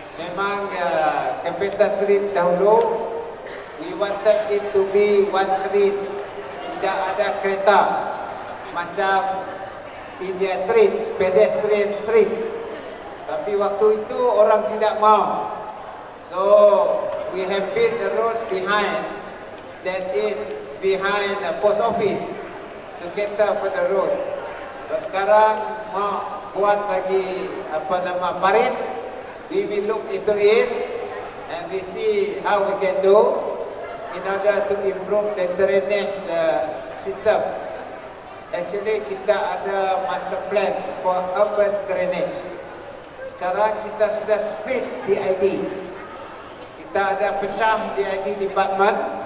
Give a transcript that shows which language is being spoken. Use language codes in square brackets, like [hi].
[ms] Memang [en] Capitol Street [ms] dahulu, [en] we wanted it to be one street. [ms] Tidak ada kereta macam India Street, [en] pedestrian street. [ms] Tapi waktu itu orang tidak mau. [en] So we have built the road behind, that is behind the post office to cater for the road. [ms] So sekarang mau buat lagi apa nama parit. [en] We will look into it and we see how we can do in order to improve the drainage system. Actually [ms] kita ada [en] master plan for urban drainage. [ms] Sekarang kita sudah split DID. Kita ada pecah DID department.